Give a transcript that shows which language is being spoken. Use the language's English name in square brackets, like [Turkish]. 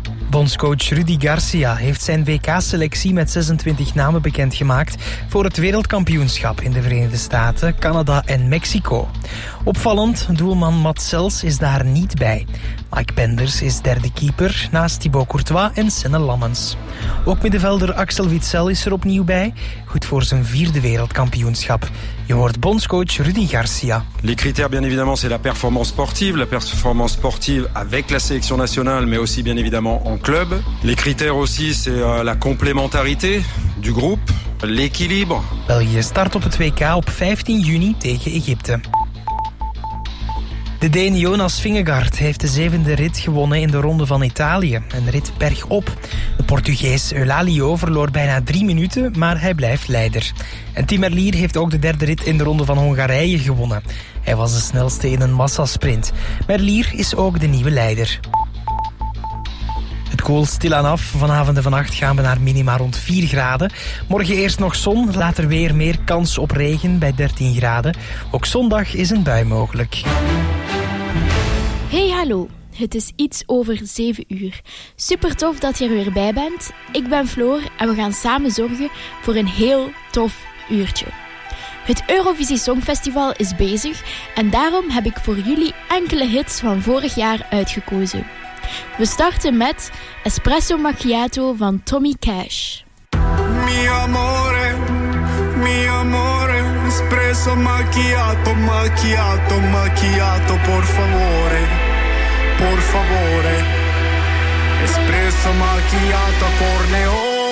[Dutch] Bondscoach Rudy Garcia heeft zijn WK-selectie met 26 namen bekendgemaakt voor het wereldkampioenschap in de Verenigde Staten, Canada en Mexico. Opvallend, doelman Mats Cels is daar niet bij. Mike Benders is derde keeper naast Thibaut Courtois en Senne Lammens. Ook middenvelder Axel Witsel is er opnieuw bij, goed voor zijn vierde wereldkampioenschap. Je hoort bondscoach Rudy Garcia. [French] Les critères, bien évidemment, c'est la performance sportive avec la sélection nationale, mais aussi bien évidemment en club. Les critères aussi, c'est la complémentarité du groupe, l'équilibre. [Dutch] België start op het WK op 15 juni tegen Egypte. De Deen Jonas Vingegaard heeft de 7e rit gewonnen in de Ronde van Italië. Een rit bergop. De Portugees Eulalio verloor bijna 3 minuten, maar hij blijft leider. En Tim Merlier heeft ook de 3e rit in de Ronde van Hongarije gewonnen. Hij was de snelste in een massasprint. Merlier is ook de nieuwe leider. Het koelt stilaan af. Vanavond en vannacht gaan we naar minima rond 4 graden. Morgen eerst nog zon, later weer meer kans op regen bij 13 graden. Ook zondag is een bui mogelijk. Hey, hallo. Het is iets over 7 uur. Super tof dat je er weer bij bent. Ik ben Floor en we gaan samen zorgen voor een heel tof uurtje. Het Eurovisie Songfestival is bezig en daarom heb ik voor jullie enkele hits van vorig jaar uitgekozen. We starten met Espresso Macchiato van Tommy Cash. [Italian] Mio amore, espresso macchiato, macchiato, macchiato, por favore. Por favore, espresso macchiato a Corneo.